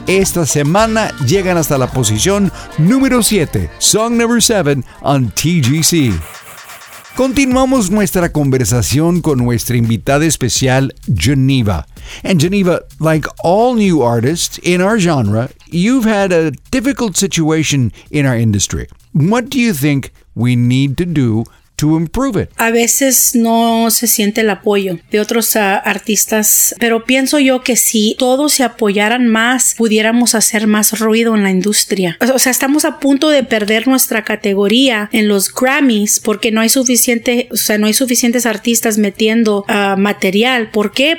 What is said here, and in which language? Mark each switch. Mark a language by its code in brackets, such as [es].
[es] Esta semana llegan hasta la posición número 7, [en] song number 7 on TGC. [es] Continuamos nuestra conversación con nuestra invitada especial, Geneva. [en] And Geneva, like all new artists in our genre, you've had a difficult situation in our industry. What do you think we need to do to improve it? [es] A veces no se siente el apoyo de otros artistas, pero pienso yo que si todos se apoyaran más, pudiéramos hacer más ruido en la industria. O sea, estamos a punto de perder nuestra categoría en los Grammys porque no hay suficiente, o sea, no hay suficientes artistas metiendo material. ¿Por qué?